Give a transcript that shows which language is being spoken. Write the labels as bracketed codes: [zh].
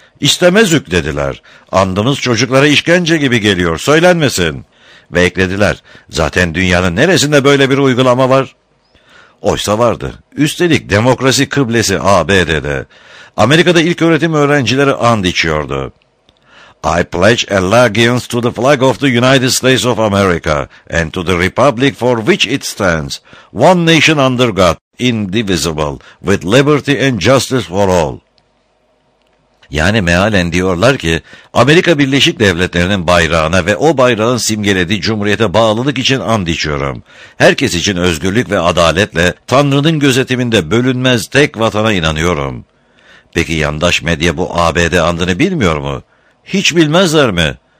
[tr] "İstemezük" dediler. "Andımız çocuklara işkence gibi geliyor, söylenmesin." Ve eklediler, zaten dünyanın neresinde böyle bir uygulama var? Oysa vardı. Üstelik demokrasi kıblesi ABD'de. Amerika'da ilk öğretim öğrencileri and içiyordu. [en] I pledge allegiance to the flag of the United States of America and to the republic for which it stands, one nation under God, indivisible, with liberty and justice for all. [tr] Yani mealen diyorlar ki, Amerika Birleşik Devletleri'nin bayrağına ve o bayrağın simgelediği cumhuriyete bağlılık için and içiyorum. Herkes için özgürlük ve adaletle Tanrı'nın gözetiminde bölünmez tek vatana inanıyorum. Peki yandaş medya bu ABD andını bilmiyor mu? Hiç bilmezler mi?